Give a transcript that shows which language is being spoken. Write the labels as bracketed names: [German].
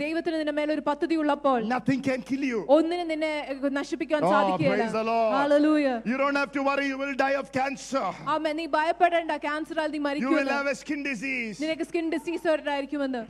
[Malayalam] ദൈവത്തിന് നിന്റെ മേൽ ഒരു പദ്ധതി ഉള്ളപ്പോൾ. [English] Nothing can kill you. [Malayalam] ഒന്നിനെ നിന്നെ നശിപ്പിക്കാൻ സാധിക്കില്ല. [English] Oh, praise the Lord. Hallelujah. You don't have to worry, you will die of cancer. [Malayalam] ആമേ, നീ ഭയപ്പെടേണ്ട, കാൻസറാൽ നീ മരിക്കില്ല. [English] You will have a skin disease. [Malayalam] നിനക്ക് സ്കിൻ ഡിസീസ് ഉണ്ടായിരിക്കുമെന്ന്.